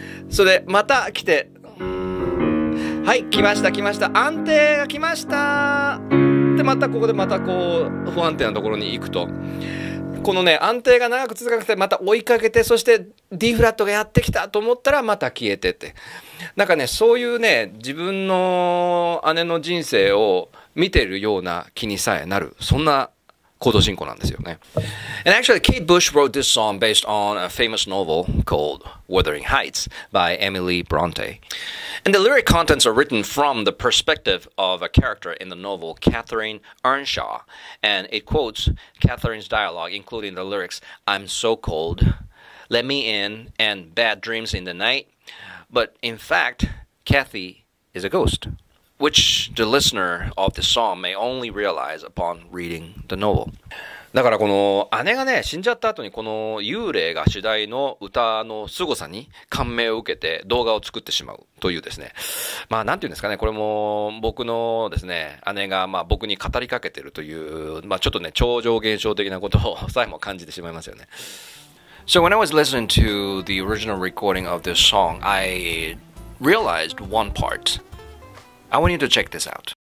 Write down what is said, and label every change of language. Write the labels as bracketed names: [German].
[Japanese] それでまた来て、はい、来ました来ました、安定が来ました、でまたここでまたこう不安定なところに行くと、このね安定が長く続かなくて、また追いかけて、そして D フラットがやってきたと思ったらまた消えてって、なんかねそういうね自分の姉の人生を見てるような気にさえなる、そんなコード進行なんですよね。 [English] And actually Kate Bush wrote this song based on a famous novel called Wuthering Heights by Emily Bronte. And the lyric contents are written from the perspective of a character in the novel Catherine Earnshaw. And it quotes Catherine's dialogue including the lyrics I'm so cold, let me in, and bad dreams in the nightBut in fact, Kathy is a ghost, which the listener of the song may only realize upon reading the novel. [Japanese] だからこの姉がね死んじゃった後に、この幽霊が主題の歌の凄さに感銘を受けて動画を作ってしまうというですね。まあなんていうんですかね、これも僕のですね、姉がまあ僕に語りかけてるという、まあちょっとね超常現象的なことをさえも感じてしまいますよね。 [English] So when I was listening to the original recording of this song, I realized one part. I want you to check this out.